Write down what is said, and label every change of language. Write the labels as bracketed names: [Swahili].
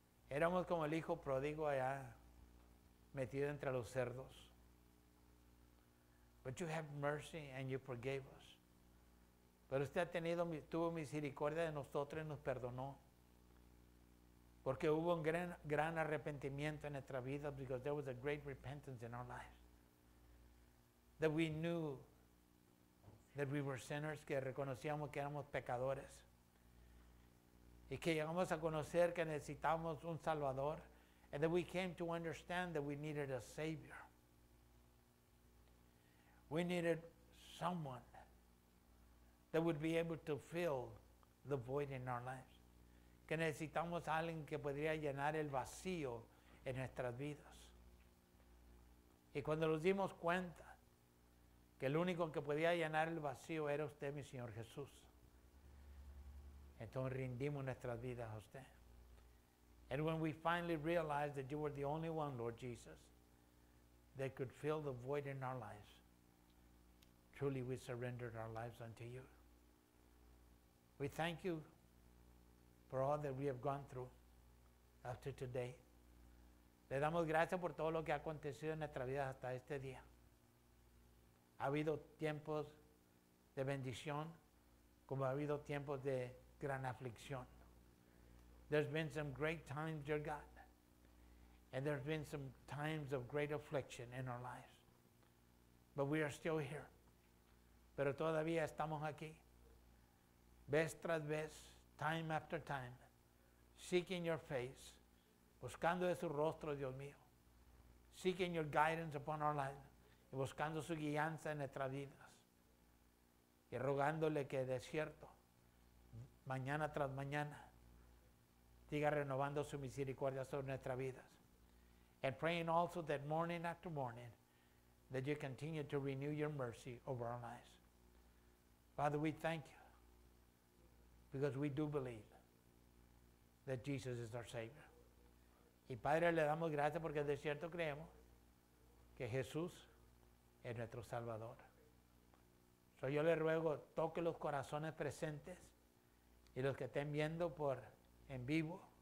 [Spanish] Éramos como el hijo pródigo allá metido entre los cerdos. [English] But you have mercy and you forgave us. [Spanish] Pero usted ha tenido, tuvo misericordia de nosotros y nos perdonó. Porque hubo un gran arrepentimiento en nuestra vida, [English] because there was a great repentance in our lives. That we knew that we were sinners, [Spanish] que reconocíamos que éramos pecadores. Y que llegamos a conocer que necesitamos un Salvador. [English] And that we came to understand that we needed a Savior. We needed someone that would be able to fill the void in our lives. [Spanish] Que necesitamos a alguien que podría llenar el vacío en nuestras vidas. Y cuando nos dimos cuenta que el único que podía llenar el vacío era usted, mi Señor Jesús, entonces rindimos nuestras vidas a usted. [English] And when we finally realized that you were the only one, Lord Jesus, that could fill the void in our lives, truly we surrendered our lives unto you. We thank you for all that we have gone through up to today. [Spanish] Le damos gracias por todo lo que ha acontecido en nuestra vida hasta este día. Ha habido tiempos de bendición como ha habido tiempos de gran aflicción. [English] There's been some great times, dear God, and there's been some times of great affliction in our lives. But we are still here. [Spanish] Pero todavía estamos aquí. Vez tras vez, [English] time after time, seeking your face, [Spanish] buscando de su rostro, Dios mío, [English] seeking your guidance upon our lives, [Spanish] y buscando su guianza en nuestras vidas, y rogándole que de cierto, mañana tras mañana, siga renovando su misericordia sobre nuestras vidas. [English] And praying also that morning after morning, that you continue to renew your mercy over our lives. Father, we thank you. Because we do believe that Jesus is our Savior. [Spanish] Y Padre, le damos gracias porque de cierto creemos que Jesús es nuestro Salvador. So yo le ruego, toque los corazones presentes y los que estén viendo por en vivo.